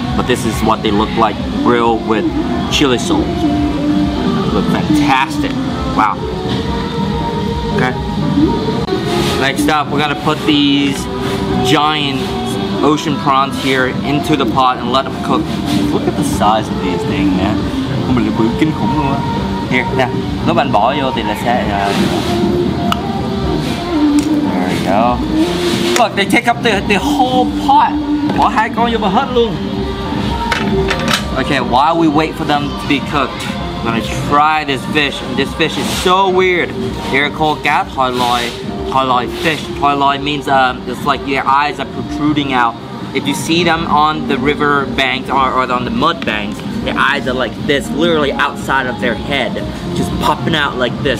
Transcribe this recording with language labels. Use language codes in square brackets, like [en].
[en] But this is what they look like grilled with chili sauce. Look fantastic. Wow. Okay. Next up, we're gonna put these giant ocean prawns here into the pot and let them cook. Look at the size of these things, man. Here, now. [vi] Nếu bạn bỏ vô thì là sẽ [en] There we go. Look, they take up the whole pot. [vi] Bỏ hai con vô và hết luôn. [en] Okay, while we wait for them to be cooked, I'm gonna try this fish. This fish is so weird. They're called cá thoi lòi. Thoi lòi fish. Thoi lòi means it's like your eyes are protruding out. If you see them on the river banks or on the mud banks, their eyes are like this, literally outside of their head, just popping out like this.